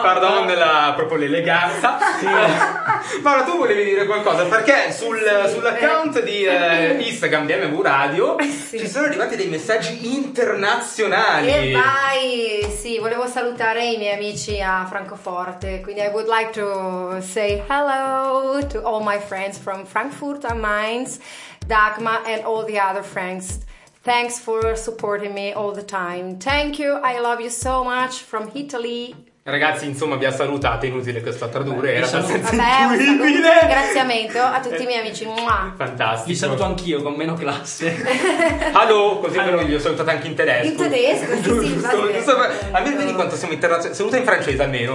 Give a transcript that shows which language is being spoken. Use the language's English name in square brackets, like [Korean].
[Italian] Pardon, della proprio l'eleganza. Sì. Ma allora, tu volevi dire qualcosa? Perché sull'account di Instagram di MV Radio ci sono arrivati dei messaggi internazionali. E vai! Sì, volevo salutare i miei amici a Francoforte. [English] Quindi I would like to say hello to all my friends from Frankfurt am Main, Dagma and all the other Franks. Thanks for supporting me all the time. Thank you, I love you so much from Italy. [Italian] Ragazzi, insomma, vi ha salutato, inutile questo a tradurre. Beh, era abbastanza incredibile. Un ringraziamento a tutti i miei amici. Fantastico. Vi saluto anch'io con meno classe. Allo, così però gli ho salutato anche in tedesco. In tedesco, giusto, sì, giusto. Almeno vedi quanto siamo internazionali. Saluta in francese almeno.